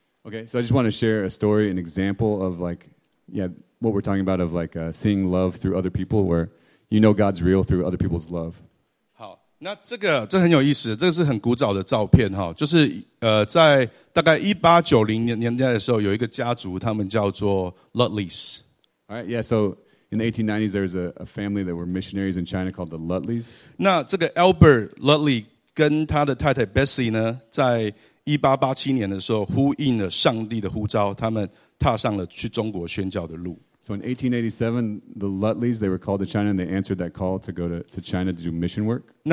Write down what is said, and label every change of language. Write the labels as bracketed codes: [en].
[en] Okay, so I just want to share a story, an example of like, yeah, what we're talking about of like seeing love through other people, where you know God's real through other people's love. [zh] 那这个很古早的照片哈，就是在大概1890年代的时候，有一个家族，他们叫做 Lutleys. [en] Alright, yeah. So in the 1890s, there was a family that were missionaries in China called the Lutleys. [zh] 那这个 Albert Lutley 跟他的太太 Bessie 呢，在1887年的时候，呼应了上帝的呼召，他们踏上了去中国宣教的路。 [en] So in 1887, the Lutleys, they were called to China, and they answered that call to go to China to do mission work.